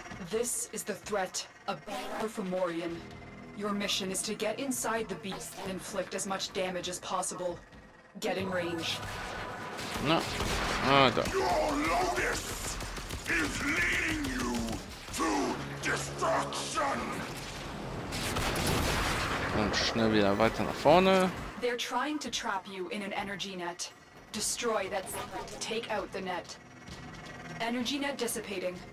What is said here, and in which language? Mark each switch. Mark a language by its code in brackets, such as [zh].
[en] This is the threat, a Performorian. Your mission is to get inside the beast and inflict as much damage as possible. Get in range. Na, ah, da. Your Locus is leading you to destruction. [de] Und schnell wieder weiter nach vorne. [en] They're trying to trap you in an energy net. Destroy that. Take out the net. Energy net dissipating.